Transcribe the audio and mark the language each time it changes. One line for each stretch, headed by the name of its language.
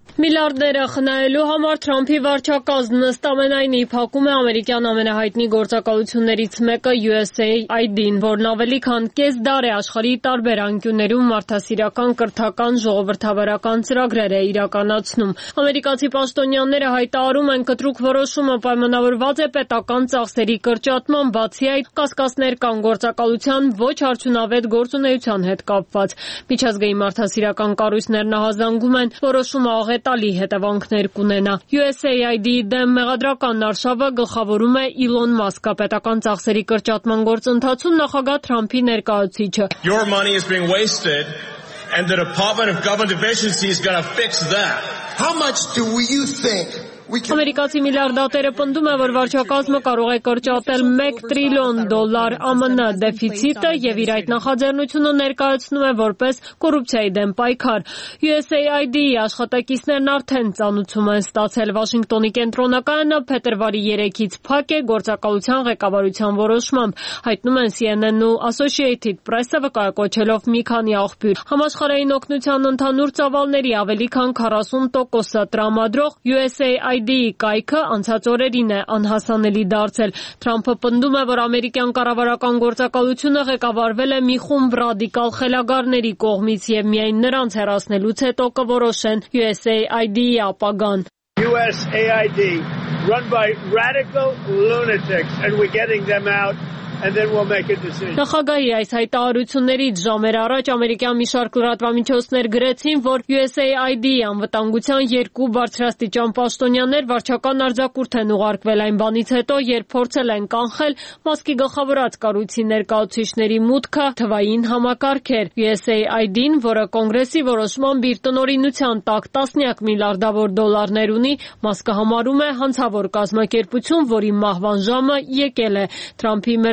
Armenian: Միլիարդները խնայելու համար Թրամփի վարչակազմն ըստ ամենայնի փակում է ամերիկյան ամենահայտնի գործակալություններից մեկը USAID-ին, որն ավելի քան կես դար է աշխարհի տարբեր անկյուններում մարդասիրական կրթական ժողովրդավարական ծրագրեր է իրականացնում։ Ամերիկացի պաշտոնյաները հայտարարում են, կտրուկ որոշումը պայմանավորված է պետական ծախսերի կրճատման, բացի այդ, կասկածներ կան գործակալության ոչ արդյունավետ գործունեության հետ կապված։ Միջազգային մարդասիրական կառույցներ նահանգում են որոշումը հետալի հետևանքներ կունենա։ USAID-ի դեմ մեղադրական արշավը գլխավորում է Իլոն Մասկը, պետական ծախսերի կրճատման գործընթացում նախագահ Թրամփի ներկայացուցիչը։
English: Your money is being wasted and the Department of Government Efficiency is going to fix that. How much do you think?
Armenian: Ամերիկացի միլիարդատերը պնդում է, որ վարչակազմը կարող է կրճատել 1 տրիլիոն դոլար ԱՄՆ դեֆիցիտը և իր այդ նախաձեռնությունը ներկայացնում է որպես կոռուպցիայի դեմ պայքար։ USAID-ի աշխատակիցներն արդեն ծանուցում են ստացել Վաշինգտոնի կենտրոնականը, փետրվարի 3-ից փակ է գործակալության ղեկավարության որոշմամբ, հայտնում են CNN-ն ու Associated Press-ը, վկայակոչելով մի քանի աղբյուր։ Համաշխարհային օգնության ընդհանուր ծավալների ավելի քան 40%-ը տրամադրող USAID-ի կայքը անցած օրերին է անհասանելի դարձել։ Թրամփը պնդում է, որ ամերիկյան կառավարական գործակալությունը ղեկավարվել է մի խումբ ռադիկալ խելագարների կողմից և միայն նրանց հերացնելուց հետո կորոշեն USAID-ի ապագան։
English: USAID run by radical lunatics and we're getting them out. And then we'll make a decision.
Armenian: Նախագահի այս հայտարարություններից ժամեր առաջ ամերիկյան մի շարք լրատվամիջոցներ գրեցին, որ USAID-ի անվտանգության 2 բարձրաստիճան պաշտոնյաներ վարչական արձակուրդ են ուղարկվել այն բանից հետո, երբ փորձել են կանխել Մասկի գլխավորած կառույցի ներկայացուցիչների մուտքը թվային համակարգեր։ USAID-ին, որը կոնգրեսի որոշմամբ իր տնօրինության տակ տասնյակ միլիարդավոր դոլարներ ունի, Մասկը համարում է հանցավոր կազմակերպություն, որի մահվան ժամը եկել է։ Թրամփի